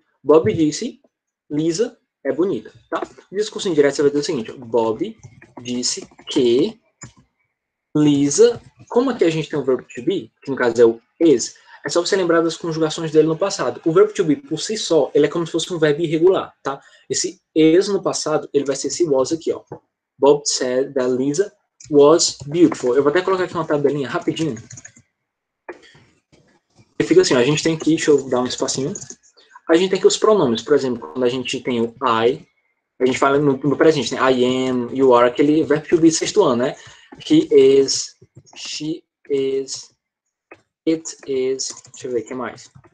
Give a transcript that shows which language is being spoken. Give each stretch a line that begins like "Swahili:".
Portuguese: Bob disse, Lisa é bonita, tá? Discurso indireto, você vai dizer o seguinte, ó. Bob disse que Lisa, como aqui a gente tem o verbo to be, que no caso é o is, é só você lembrar das conjugações dele no passado. O verbo to be, por si só, ele é como se fosse um verbo irregular, tá? Esse is no passado, ele vai ser esse was aqui, ó.
English: Bob said that Lisa was beautiful.
Portuguese: Eu vou até colocar aqui uma tabelinha rapidinho. E fica assim, ó, a gente tem aqui, deixa eu dar um espacinho. A gente tem aqui os pronomes, por exemplo, quando a gente tem o I, a gente fala no presente, né?
English: I am, you are,
Portuguese: aquele verbo to be sexto ano, né?
English: He is, she is, it is,
Portuguese: deixa eu ver, o que mais?